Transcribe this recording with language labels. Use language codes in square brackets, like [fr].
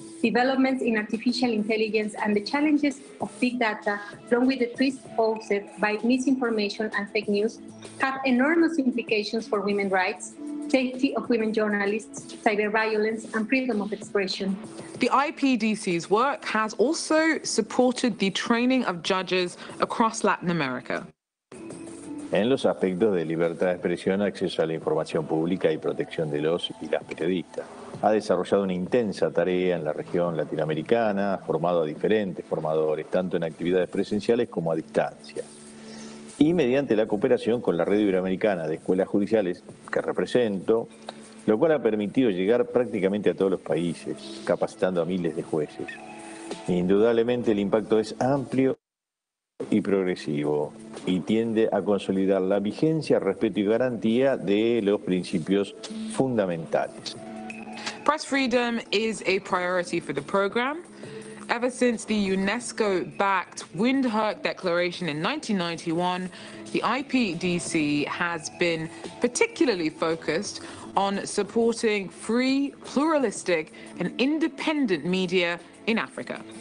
[en] Developments in artificial intelligence and the challenges of big data, along with the risks posed by misinformation and fake news, have enormous implications for women's rights, safety of women journalists, cyber violence, and freedom of expression. The IPDC's work has also supported the training of judges across Latin America. [es] En los aspectos de libertad de expresión, acceso a la información pública y protección de los y las periodistas. Ha desarrollado una intensa tarea en la región latinoamericana, ha formado a diferentes formadores, tanto en actividades presenciales como a distancia. Y mediante la cooperación con la Red Iberoamericana de Escuelas Judiciales, que represento, lo cual ha permitido llegar prácticamente a todos los países, capacitando a miles de jueces. Indudablemente el impacto es amplio y progresivo, y tiende a consolidar la vigencia, respeto y garantía de los principios fundamentales. [en] Press freedom is a priority for the program. Ever since the UNESCO-backed Windhoek Declaration in 1991, the IPDC has been particularly focused on supporting free, pluralistic, and independent media in Africa.